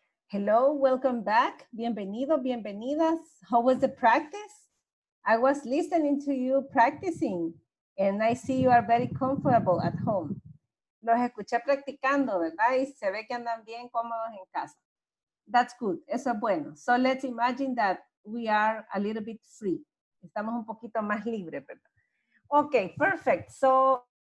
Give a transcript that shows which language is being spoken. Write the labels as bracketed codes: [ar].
[en] Hello, welcome back. [es] Bienvenido, bienvenidas. [en] How was the practice? I was listening to you practicing and I see you are very comfortable at home. [es] Los escuché practicando, ¿verdad? Y se ve que andan bien cómodos en casa. [en] That's good. [es] Eso es bueno. [en] So let's imagine that we are a little bit free. [es] Estamos un poquito más libres, ¿verdad? [en] Okay, perfect. So...